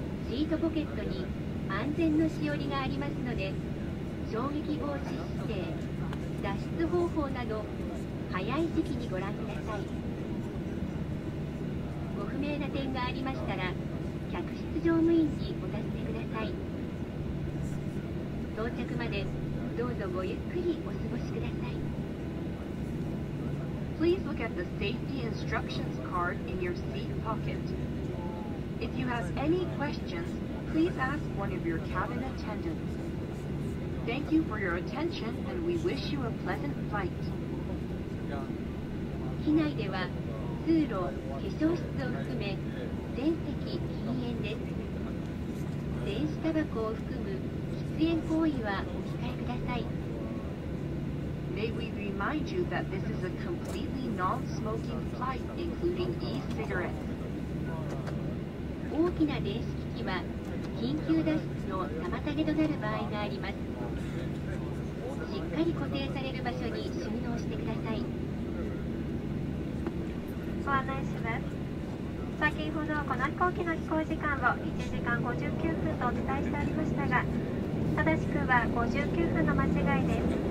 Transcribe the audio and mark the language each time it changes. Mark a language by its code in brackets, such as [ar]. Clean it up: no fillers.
[ja] シートポケットに安全のしおりがありますので、衝撃防止姿勢、脱出方法など早い時期にご覧ください。ご不明な点がありましたら客室乗務員にお尋ねください。到着までどうぞごゆっくりお過ごしください。 [en] Please look at the safety instructions card in your seat pocket. If you have any questions, please ask one of your cabin attendants. Thank you for your attention and we wish you a pleasant flight. [ja] 機内では通路、化粧室を含め全席禁煙です。電子タバコを含む喫煙行為はお控えください。 [en] May we remind you that this is a completely non-smoking flight, including e-cigarettes. [ja] 大きな電子機器は緊急脱出の妨げとなる場合があります。しっかり固定される場所に収納してください。ご案内します。先ほどこの飛行機の飛行時間を1時間59分とお伝えしておりましたが、正しくは59分の間違いです。